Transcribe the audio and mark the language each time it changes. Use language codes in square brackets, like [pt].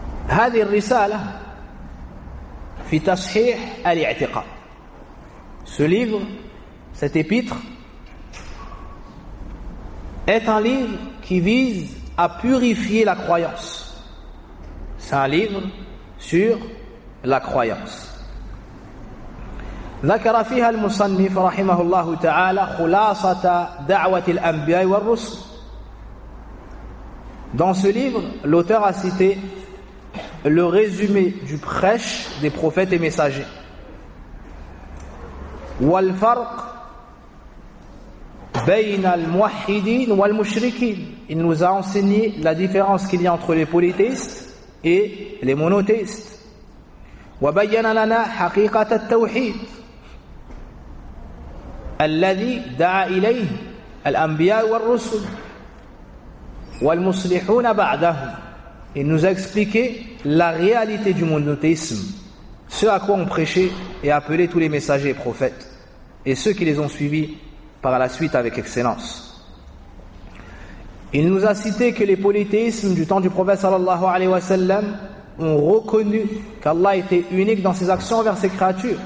[ar] Hadhihi ar-Risala fi tashih al-I'tiqad. [fr] Ce livre, cet épître, est un livre qui vise à purifier la croyance. C'est un livre sur la croyance. [ar] ذكر فيها المصنف رحمه الله تعالى خلاصة دعوة الأنبياء والرسل. [fr] Dans ce livre, l'auteur a cité le résumé du prêche des prophètes et messagers. [ar] والفرق بين الموحدين والمشركين. [fr] Il nous a enseigné la différence qu'il y a entre les polythéistes et les monothéistes. [ar] وبين لنا حقيقة التوحيد الذي دعا إليه الأنبياء والرسل والمصلحون بعدهم. [fr] Il nous a expliqué la réalité du monothéisme, ce à quoi ont prêché et appelé tous les messagers et prophètes, et ceux qui les ont suivis par la suite avec excellence. Il nous a cité que les polythéismes du temps du prophète sallallahu alayhi wa sallam ont reconnu qu'Allah était unique dans ses actions envers ses créatures.